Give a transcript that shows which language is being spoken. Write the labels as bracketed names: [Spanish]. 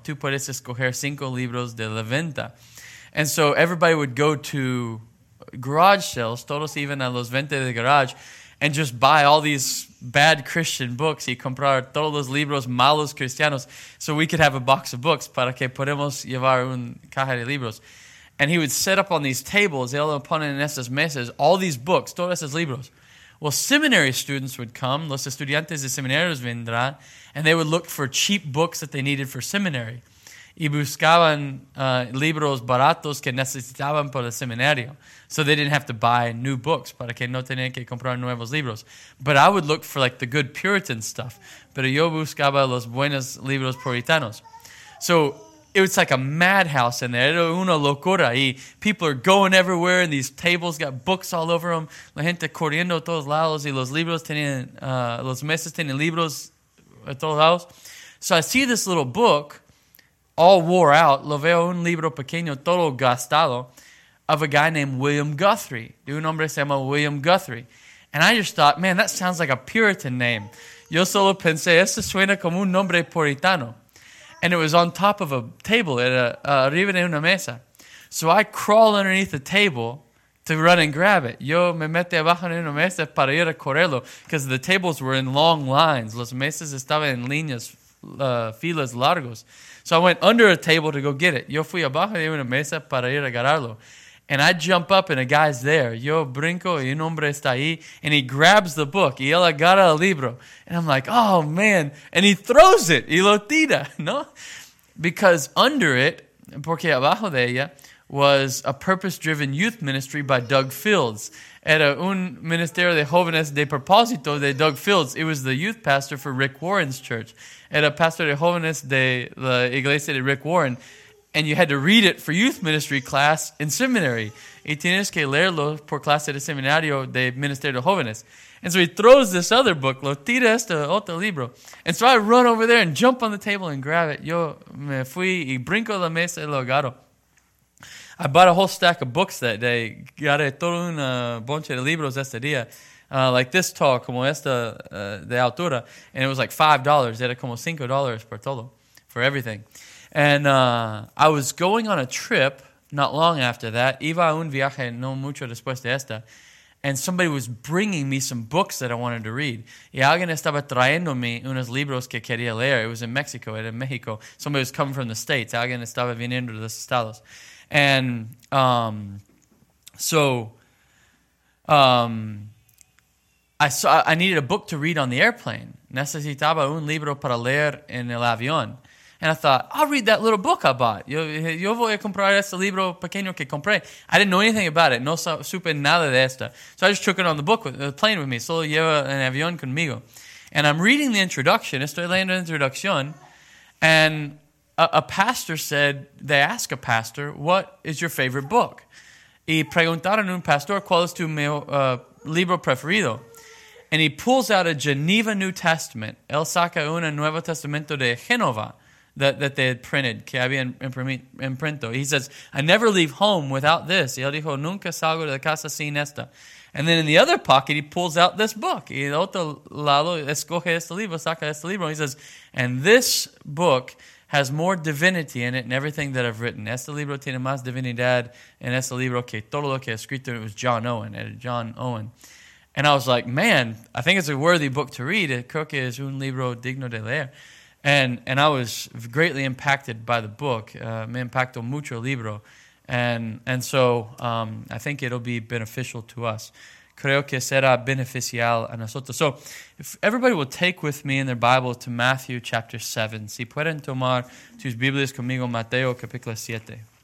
[Spanish] Tú puedes escoger 5 libros de la venta. [English] And so everybody would go to garage sales, [Spanish] todos iban a los ventas de garage, [English] and just buy all these bad Christian books [Spanish] y comprar todos los libros malos cristianos [English] so we could have a box of books [Spanish] para que podamos llevar un caja de libros. [English] And he would set up on these tables, [Spanish] él lo pone en esas mesas, [English] all these books, [Spanish] todos esos libros. [English] Well, seminary students would come, [Spanish] los estudiantes de seminarios vendrán, [English] and they would look for cheap books that they needed for seminary. [Spanish] Y buscaban libros baratos que necesitaban para el seminario. [English] So they didn't have to buy new books [Spanish] para que no tenían que comprar nuevos libros. [English] But I would look for like the good Puritan stuff. [Spanish] Pero yo buscaba los buenos libros puritanos. [English] So it was like a madhouse in there. [Spanish] Era una locura. [English] Y people are going everywhere and these tables got books all over them. [Spanish] La gente corriendo a todos lados y los libros tenían, los meses tenían libros a todos lados. [English] So I see this little book all wore out, [Spanish] lo veo un libro pequeño, todo gastado, [English] of a guy named William Guthrie. [Spanish] De un hombre se llama William Guthrie. [English] And I just thought, man, that sounds like a Puritan name. [Spanish] Yo solo pensé, esto suena como un nombre puritano. [English] And it was on top of a table, [Spanish] arriba de una mesa. [English] So I crawl underneath the table to run and grab it. [Spanish] Yo me metí abajo de una mesa para ir a correrlo, [English] because the tables were in long lines. [Spanish] Los mesas estaban en líneas, filas largos. [English] So I went under a table to go get it. [Spanish] Yo fui abajo de una mesa para ir a agarrarlo. [English] And I jump up and a guy's there. [Spanish] Yo brinco y un hombre está ahí. [English] And he grabs the book. [Spanish] Y él agarra el libro. [English] And I'm like, oh man. And he throws it. [Spanish] Y lo tira, ¿no? [English] Because under it, [Spanish] porque abajo de ella, [English] was a purpose-driven youth ministry by Doug Fields. [Spanish] Era un ministerio de jóvenes de propósito de Doug Fields. [English] It was the youth pastor for Rick Warren's church. [Spanish] Era pastor de jóvenes de la iglesia de Rick Warren. [English] And you had to read it for youth ministry class in seminary. [Spanish] Y tienes que leerlo por clase de seminario de ministerio de jóvenes. [English] And so he throws this other book, [Spanish] lo tira este otro libro. [English] And so I run over there and jump on the table and grab it. [Spanish] Yo me fui y brinco la mesa y lo agarro. [English] I bought a whole stack of books that day. [Spanish] Gare todo un bunch de libros este día. [English] Like this tall, [Spanish] como esta de altura. [English] And it was like $5. [Spanish] Era como $5 por todo, [English] for everything. And I was going on a trip not long after that. [Spanish] Iba a un viaje no mucho después de esta. [English] And somebody was bringing me some books that I wanted to read. [Spanish] Y alguien estaba trayéndome unos libros que quería leer. [English] It was in Mexico. [Spanish] Era en México. [English] Somebody was coming from the States. [Spanish] Alguien estaba viniendo de los Estados. [English] And I needed a book to read on the airplane. [Spanish] Necesitaba un libro para leer en el avión. [English] And I thought, I'll read that little book I bought. [Spanish] Yo voy a comprar ese libro pequeño que compré. [English] I didn't know anything about it. [Spanish] No supe nada de esto. [English] So I just took it on the plane with me. [Spanish] Solo lleva en avión conmigo. [English] And I'm reading the introduction. [Spanish] Estoy leyendo la introducción. [English] And a pastor said, they ask a pastor, what is your favorite book? [Spanish] Y preguntaron un pastor, ¿cuál es tu libro preferido? [English] And he pulls out a Geneva New Testament. [Spanish] Él saca un Nuevo Testamento de Genova [English] that they had printed, [Spanish] que había imprinto. [English] He says, I never leave home without this. [Spanish] Y él dijo, nunca salgo de la casa sin esta. [English] And then in the other pocket, he pulls out this book. [Spanish] Y el otro lado, escoge este libro, saca este libro. [English] He says, and this book has more divinity in it and everything that I've written. [Spanish] Este libro tiene más divinidad en este libro que todo lo que he escrito. [English] It was John Owen. And I was like, man, I think it's a worthy book to read. [Spanish] Creo que es un libro digno de leer. [English] And I was greatly impacted by the book. [Spanish] Me impactó mucho el libro. [English] And so I think it'll be beneficial to us. [Spanish] Creo que será beneficial a nosotros. [English] So, if everybody will take with me in their Bible to Matthew chapter 7. [Spanish] Si pueden tomar sus Biblias conmigo, Mateo capítulo 7.